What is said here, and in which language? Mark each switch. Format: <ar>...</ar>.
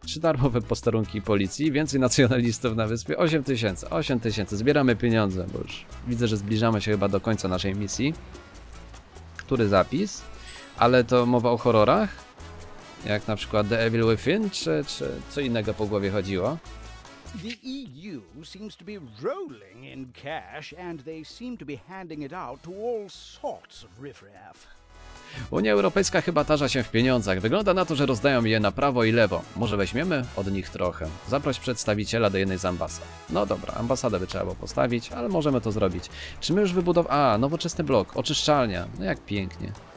<pl>3 darmowe posterunki policji, więcej nacjonalistów na wyspie. 8 tysięcy. Zbieramy pieniądze, bo już widzę, że zbliżamy się chyba do końca naszej misji. Który zapis? Ale to mowa o horrorach? Jak na przykład The Evil Within, czy co innego po głowie chodziło?</pl> <en>The EU seems to be rolling in cash, and they seem to be handing it out to all sorts of riffraff.</en> <pl>Unia Europejska chyba tarza się w pieniądzach. Wygląda na to, że rozdają je na prawo i lewo. Może weźmiemy od nich trochę? Zaproś przedstawiciela do jednej z ambasad. No dobra, ambasadę by trzeba było postawić, ale możemy to zrobić. Czy my już wybudowaliśmy... A, nowoczesny blok, oczyszczalnia. No jak pięknie.</pl>